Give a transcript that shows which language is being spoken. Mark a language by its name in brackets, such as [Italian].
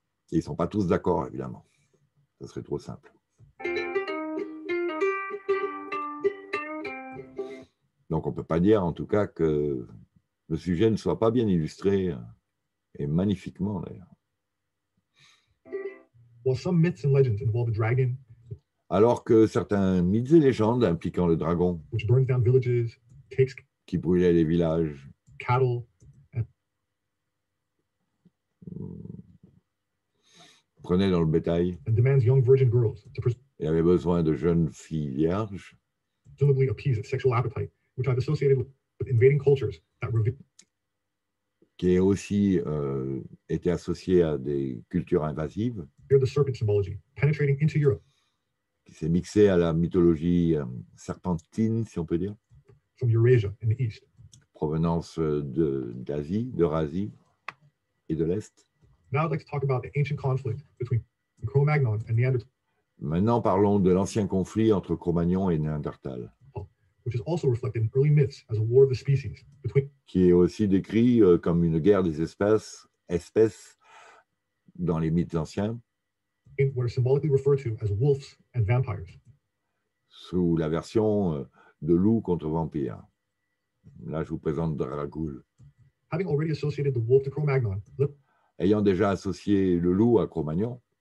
[French] Et ils ne sont pas tous d'accord, évidemment. Ça serait trop simple. Donc, on ne peut pas dire, en tout cas, que le sujet ne soit pas bien illustré, et magnifiquement, d'ailleurs. [English] While some myths and legends involve the dragon, [French] alors que certains mythes et légendes impliquant le dragon, [English] which burns down villages, takes [French] qui brûlait les villages, [English] cattle, [French] prenait dans le bétail, [English] and demands young virgin girls to [French] et avait besoin de jeunes filles vierges, [English] presumably appease its sexual appetite, which I've associated with invading cultures that reveal. [French] Qui a aussi été associé à des cultures invasives. [English] The serpent symbology penetrating into Europe. [French] Qui s'est mixé à la mythologie serpentine, si on peut dire. [English] From Eurasia in the east. [French] Provenance d'Asie, d'Eurasie et de l'Est. [English] Now I'd like to talk about the ancient conflict between Cro-Magnon and Neanderthal. [French] Maintenant parlons de l'ancien conflit entre Cro-Magnon et Néandertal. [English] Which is also reflected in early myths as a war of the species between. [French] Qui est aussi décrit comme une guerre des espèces dans les mythes anciens. [English] In what are symbolically referred to as wolves and vampires. [French] Sous la version de loup contre vampire. Là, je vous présente Dragoul. [English] Having already associated the wolf to Cro-Magnon. [French] Ayant déjà associé le loup à Cro-Magnon.